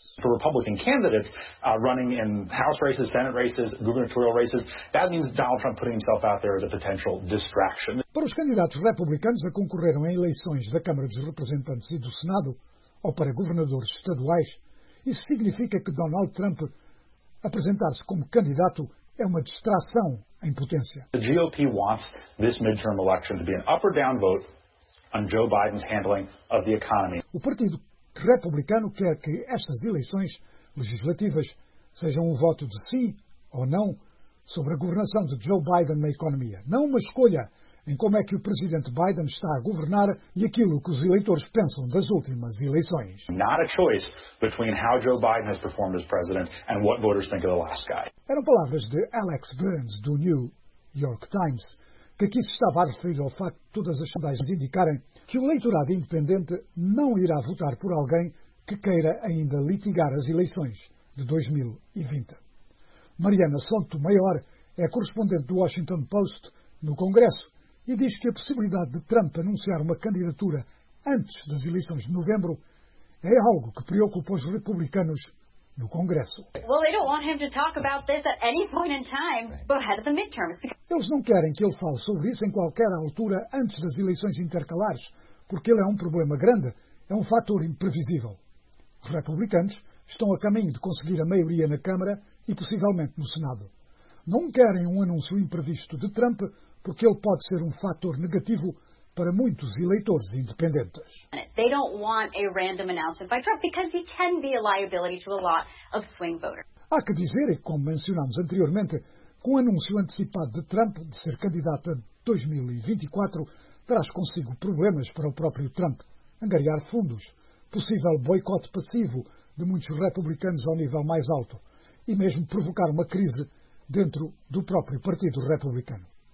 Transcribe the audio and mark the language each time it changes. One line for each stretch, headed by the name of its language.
English: For Republican candidates running in House races, Senate races, gubernatorial races, that means Donald Trump putting himself out there as a potential distraction.
Portuguese: Para os candidatos republicanos a concorreram em eleições da Câmara dos Representantes e do Senado, ou para governadores estaduais, isso significa que Donald Trump apresentar-se como candidato é uma distração em potência.
English: The GOP wants this midterm election to be an up or down vote on Joe Biden's handling of the economy.
Portuguese: O Partido Republicano quer que estas eleições legislativas sejam um voto de sim ou não sobre a governação de Joe Biden na economia. Não uma escolha em como é que o presidente Biden está a governar e aquilo que os eleitores pensam das últimas eleições.
English: Not a choice between how Joe Biden has performed as president and what voters think of the last guy.
Portuguese: Eram palavras de Alex Burns, do New York Times, que aqui se estava a referir ao facto de todas as sondagens indicarem que o eleitorado independente não irá votar por alguém que queira ainda litigar as eleições de 2020. Mariana Sotomayor é correspondente do Washington Post no Congresso e diz que a possibilidade de Trump anunciar uma candidatura antes das eleições de novembro é algo que preocupa os republicanos no Congresso. Eles não querem que ele fale sobre isso em qualquer altura antes das eleições intercalares, porque ele é um problema grande, é um fator imprevisível. Os republicanos estão a caminho de conseguir a maioria na Câmara e possivelmente no Senado. Não querem um anúncio imprevisto de Trump, porque ele pode ser um fator negativo para muitos eleitores independentes.
English: They don't want a random announcement by Trump because he can be a liability to a lot of swing voters.
Portuguese: Há que dizer, como mencionámos anteriormente, que um anúncio antecipado de Trump de ser candidato a 2024 traz consigo problemas para o próprio Trump, angariar fundos, possível boicote passivo de muitos republicanos ao nível mais alto e mesmo provocar uma crise dentro do próprio Partido Republicano.